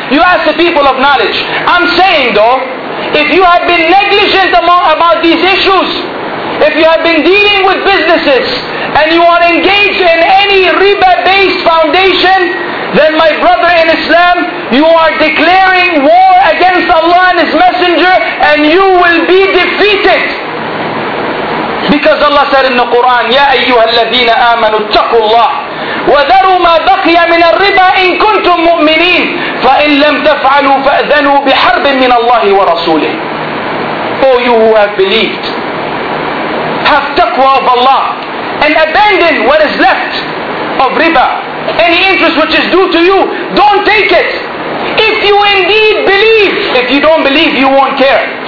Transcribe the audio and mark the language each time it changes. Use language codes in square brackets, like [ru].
[en] You ask the people of knowledge. I'm saying though, if you have been negligent about these issues, if you have been dealing with businesses, and you are engaged in any riba-based foundation, then my brother in Islam, you are declaring war against Allah and His Messenger, and you will be defeated. Because Allah said in the Quran, [ar] يَا أَيُّهَا الَّذِينَ آمَنُوا اتَّقُوا اللَّهِ وَذَرُوا مَا بَقِيَ مِنَ الرِّبَى إِن كُنْتُم مُؤْمِنِينَ فَإِن لَمْ تَفْعَلُوا فَأَذَنُوا بِحَرْبٍ مِنَ اللَّهِ وَرَسُولِهِ. [en] Oh, you who have believed, have taqwa of Allah, and abandon what is left of riba. Any interest which is due to you, don't take it. If you indeed believe, if you don't believe, you won't care.